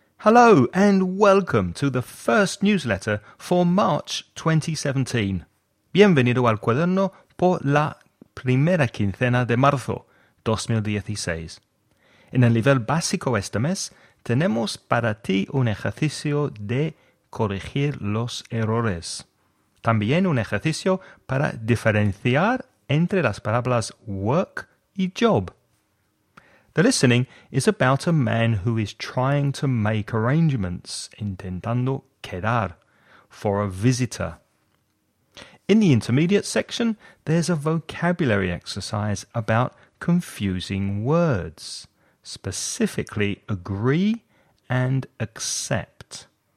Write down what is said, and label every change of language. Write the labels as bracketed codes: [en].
[en] Hello and welcome to the first newsletter for March 2017. [es] Bienvenido al cuaderno por la primera quincena de marzo 2016. En el nivel básico este mes, tenemos para ti un ejercicio de corregir los errores. También un ejercicio para diferenciar entre las palabras work y job. [en] The listening is about a man who is trying to make arrangements, [es] intentando quedar, [en] for a visitor. In the intermediate section, there's a vocabulary exercise about confusing words, specifically agree and accept.